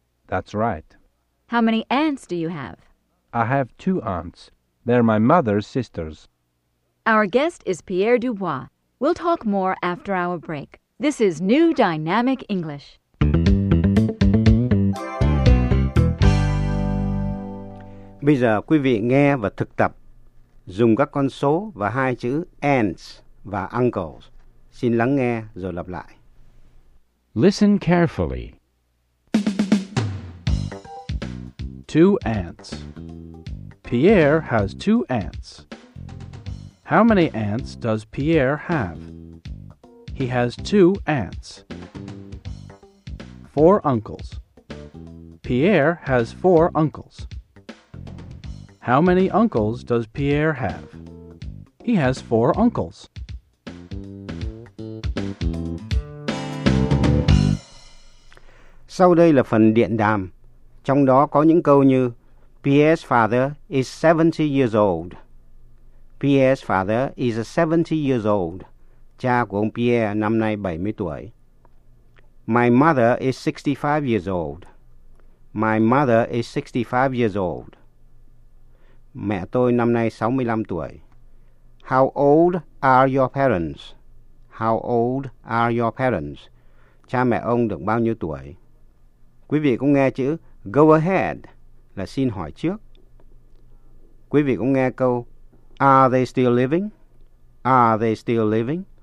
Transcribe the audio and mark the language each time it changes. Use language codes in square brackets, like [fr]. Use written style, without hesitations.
[en] That's right. How many aunts do you have? I have 2 aunts. They're my mother's sisters. Our guest is Pierre Dubois. We'll talk more after our break. This is New Dynamic English. [vi] Bây giờ quý vị nghe và thực tập dùng các con số và 2 chữ aunts và uncles. Xin lắng nghe rồi lặp lại. [en] Listen carefully. 2 aunts. Pierre has 2 aunts. How many aunts does Pierre have? He has 2 aunts. 4 uncles. Pierre has 4 uncles. How many uncles does Pierre have? He has 4 uncles. [vi] Sau đây là phần điện đàm. Trong đó có những câu như [en] Pierre's father is 70 years old. Pierre's father is 70 years old. [vi] Cha của ông Pierre năm nay 70 tuổi. [en] My mother is 65 years old. My mother is 65 years old. [vi] Mẹ tôi năm nay 65 tuổi. [en] How old are your parents? How old are your parents? [vi] Cha mẹ ông được bao nhiêu tuổi? Quý vị cũng nghe chữ [en] go ahead [vi] là xin hỏi trước. Quý vị cũng nghe câu [en] are they still living? Are they still living?